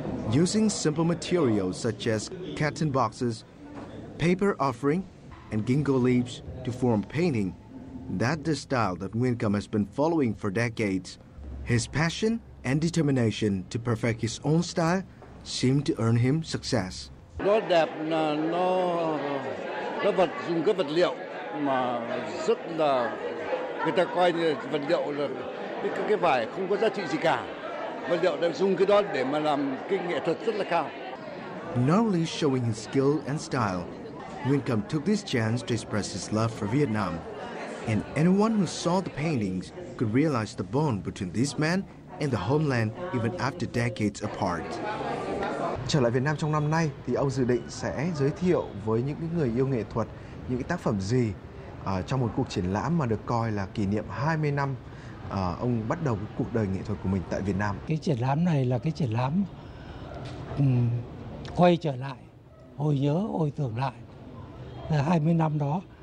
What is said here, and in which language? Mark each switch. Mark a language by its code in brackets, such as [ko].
[en] Using simple materials such as carton boxes, paper offering and ginkgo leaves to form painting. That's the style that Wincom has been following for decades. His passion and determination to perfect his own style seemed to earn him success. [vi] Nó đẹp là nó vật dùng cái vật liệu mà rất là người ta coi như vật liệu là cái vải không có giá trị gì cả. Vật liệu đã dùng cái đó để mà làm cái nghệ thuật rất là cao. [en] Not only showing his skill and style, Wincom took this chance to express his love for Vietnam. And anyone who saw the paintings could realize the bond between this man and the homeland even after decades apart. [vi] Trở lại Việt Nam trong năm nay thì ông dự định sẽ giới thiệu với những người yêu nghệ thuật những tác phẩm gì trong một cuộc triển lãm mà được coi là kỷ niệm 20 năm ông bắt đầu cuộc đời nghệ thuật của mình tại Việt Nam. Cái triển lãm này là cái triển lãm quay trở lại, hồi nhớ, hồi tưởng lại 20 năm đó.